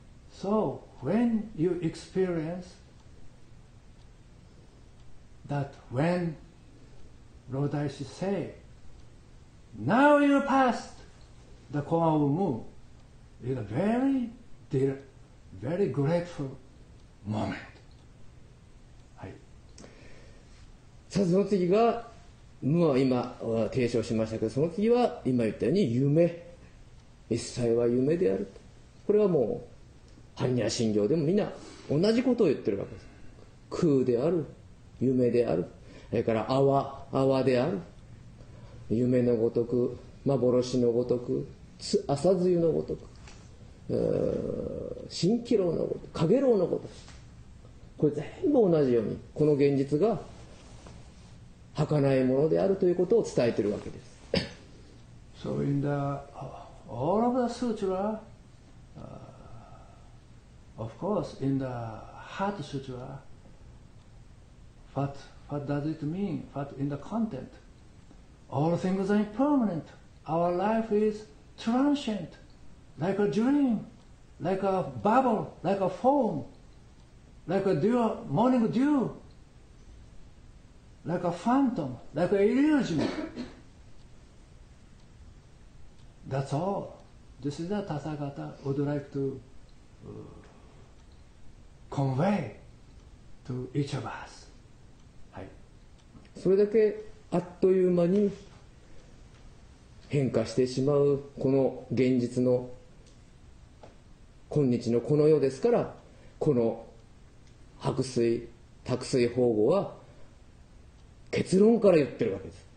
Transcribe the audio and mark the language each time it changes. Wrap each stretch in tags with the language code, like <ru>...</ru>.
<en>So, when you experienceThat when Lord Daishi say, now you passed the koan of mu, is a very dear, very grateful moment.</en> <ja>さあその次が、無は今は提唱しましたけど、その次は今言ったように夢。一切は夢である。これはもう、般若心経でもみんな同じことを言ってるわけです。空である。夢である、それから泡である、夢のごとく、幻のごとく、朝露のごとく、蜃気楼のごとく、陽炎のごとく、これ全部同じように、この現実が儚いものであるということを伝えているわけです。</ja> <en>So in the all of the sutra, of course in the heart sutraBut what does it mean? What in the content? All things are impermanent. Our life is transient, like a dream, like a bubble, like a foam, like a dew, morning dew, like a phantom, like an illusion. That's all. This is the Tathagata would like to convey to each of us.</en> <ja>それだけあっという間に変化してしまうこの現実の今日のこの世ですから、この白水卓水方語は結論から言ってるわけです。</ja>